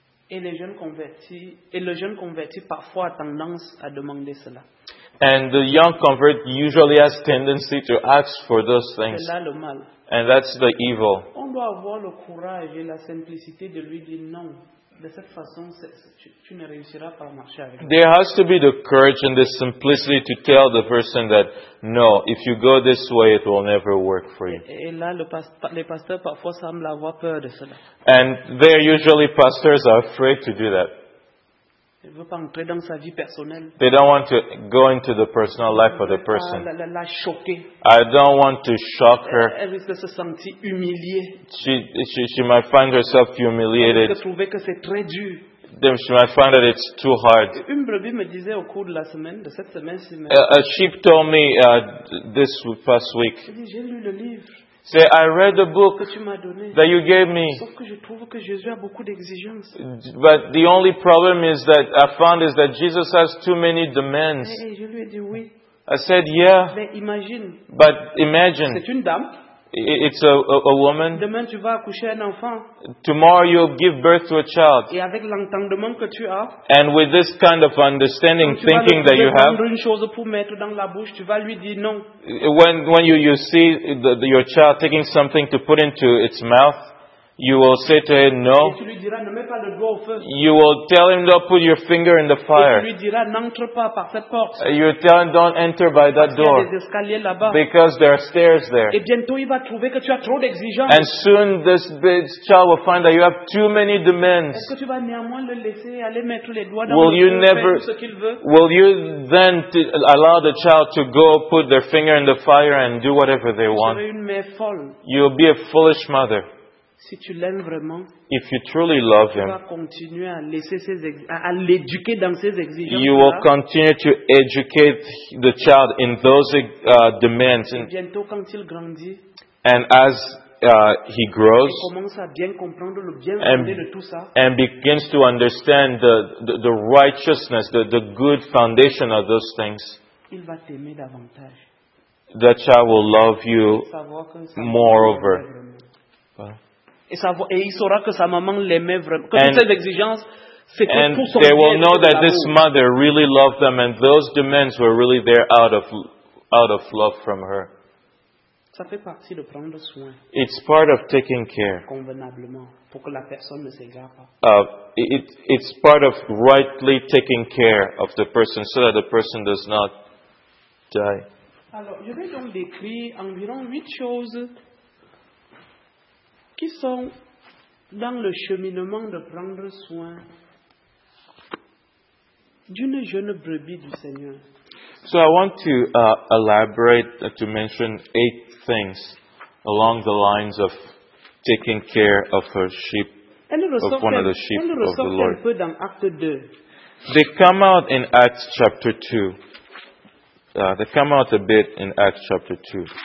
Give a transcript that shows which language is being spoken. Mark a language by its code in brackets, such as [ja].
[fr] Et le jeune converti parfois a tendance à demander cela. [en] And the young convert usually has tendency to ask for those things. [fr] C'est là le mal. [en] And that's the evil. [fr] On doit avoir le courage et la simplicité de lui dire non. De cette façon, tu ne réussiras pas à marcher avec. [en] There has to be the courage and the simplicity to tell the person that no, if you go this way, it will never work for you. [fr] Et là, les pasteurs parfois semblent avoir peur de cela. [en] And there usually pastors are afraid to do that. [fr] Il ne veut pas entrer dans sa vie personnelle. [en] They don't want to go into the personal life of the person. [fr] La choquer. [en] I don't want to shock her. [fr] Elle risque de se sentir humiliée. [en] She might find herself humiliated. [fr] Elle risque de trouver que c'est très dur. [en] Then she might find that it's too hard. [fr] Une brebis me disait au cours de la semaine, de cette semaine, si [en] a sheep told me this past week. [fr] J'ai lu le livre. [en] Say, I read the book [fr] que tu m'as donné, [en] that you gave me. [fr] Sauf que je trouve que Jésus a beaucoup d'exigences. [en] But the only problem is that I found is that Jesus has too many demands. [fr] Hey, je lui ai dit oui. [en] I said, yeah. [fr] Mais imagine, [en] but imagine. [fr] C'est une dame. [en] It's a woman. [fr] Demain, tu vas accoucher un enfant. [en] Tomorrow you'll give birth to a child. [fr] Et avec l'entendement que tu as, [en] and with this kind of understanding, thinking that you have, [fr] une chose pour mettre dans la bouche, tu vas lui dire non. [en] When you see your child taking something to put into its mouth, you will say to him no. [fr] Et tu lui diras, ne mets pas le doigt au feu. [en] You will tell him don't put your finger in the fire. [fr] Et tu lui diras, n'entre pas par cette porte. [en] You tell him don't enter by that door. [fr] Parce qu'il y a des escaliers là-bas. [en] Because there are stairs there. [fr] Et bientôt il va trouver que tu as trop d'exigences. [en] And soon this child will find that you have too many demands. [fr] Est-ce que tu vas néanmoins le laisser aller mettre les doigts dans [en] will [fr] le [en] you never, [fr] ce qu'il veut? [en] Will you then allow the child to go put their finger in the fire and do whatever they want? [fr] Une mère folle. [en] You'll be a foolish mother. [fr] Si tu l'aimes vraiment, [en] if you truly love him, [fr] tu vas continuer à laisser ses à l'éduquer dans ses exigences. [en] You will continue to educate the child in those demands. [fr] Et bientôt, quand il grandit, [en] and as he grows, [fr] il commence à bien comprendre le bien fondé de tout ça, [en] and begins to understand the righteousness, the good foundation of those things, [fr] il va t'aimer davantage. [en] The child will love you moreover. [fr] Et il saura que sa maman l'aimait vraiment. Que toutes ses exigences, c'était tout son bien. [en] And they will know that this mother really loved them, and those demands were really there out of love from her. [fr] Ça fait partie de prendre soin. [en] It's part of taking care. [fr] Convenablement, pour que la personne ne s'égare pas. [en] It's part of rightly taking care of the person, so that the person does not die. [fr] Alors, je vais donc décrire environ 8 choses qui sont dans le cheminement de prendre soin d'une jeune brebis du Seigneur. [en] So I want to elaborate, to mention eight things along the lines of taking care of a sheep, of one of the sheep of the Lord. They come out in Acts chapter 2. They come out a bit in Acts chapter 2.